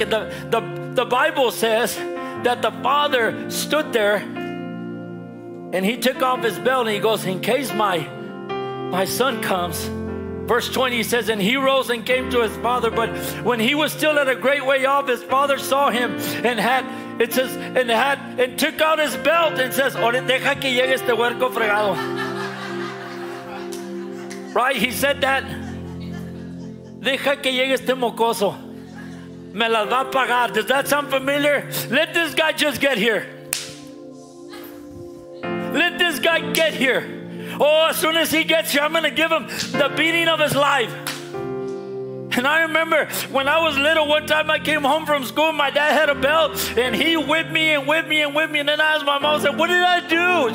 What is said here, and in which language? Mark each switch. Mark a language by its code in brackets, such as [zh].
[en] And the Bible says that the father stood there and he took off his belt and he goes, in case my son comes. Verse 20 says, and he rose and came to his father. But when he was still at a great way off, his father saw him and had took out his belt and says, [es] ore, deja que llegue este huerco fregado. [en] Right? He said that. [es] Deja que llegue este mocoso. Me las va a pagar. [en] Does that sound familiar? Let this guy just get here. Let this guy get here. Oh, as soon as he gets here, I'm going to give him the beating of his life. And I remember when I was little, one time I came home from school, my dad had a belt, and he whipped me and whipped me and whipped me. And then I asked my mom, I said, what did I do?